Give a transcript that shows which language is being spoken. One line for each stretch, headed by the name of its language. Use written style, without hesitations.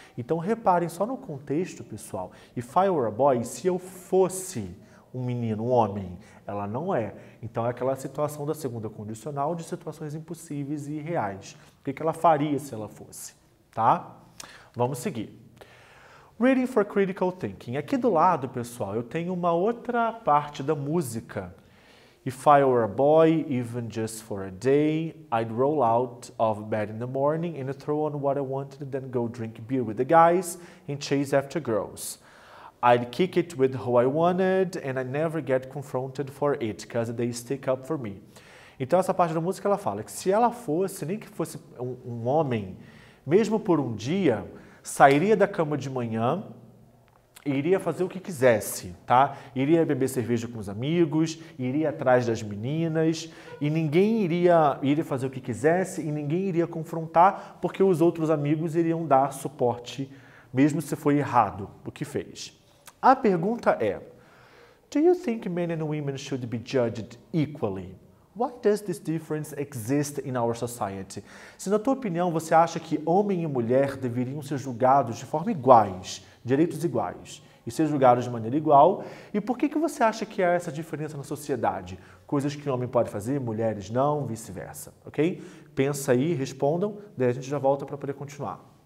Portuguese: Então, reparem só no contexto, pessoal.
English: If I were a boy,
Portuguese: se eu fosse um menino, um homem, ela não é. Então, é aquela situação da segunda condicional de situações impossíveis e irreais. O que ela faria se ela fosse, tá? Vamos seguir.
English: Reading for Critical Thinking.
Portuguese: Aqui do lado, pessoal, eu tenho uma outra parte da música.
English: If I were a boy, even just for a day, I'd roll out of bed in the morning and throw on what I wanted, then go drink beer with the guys and chase after girls. I'd kick it with who I wanted and I'd never get confronted for it, because they stick up for me.
Portuguese: Então, essa parte da música, ela fala que se ela fosse, nem que fosse um homem, mesmo por um dia, sairia da cama de manhã e iria fazer o que quisesse, tá? Iria beber cerveja com os amigos, iria atrás das meninas e ninguém iria fazer o que quisesse e ninguém iria confrontar porque os outros amigos iriam dar suporte, mesmo se foi errado o que fez. A pergunta é:
English: Do you think men and women should be judged equally? Why does this difference exist in our society?
Portuguese: Se na tua opinião você acha que homem e mulher deveriam ser julgados de forma iguais, direitos iguais, e ser julgados de maneira igual, e por que você acha que há essa diferença na sociedade? Coisas que homem pode fazer, mulheres não, vice-versa, ok? Pensa aí, respondam, daí a gente já volta para poder continuar.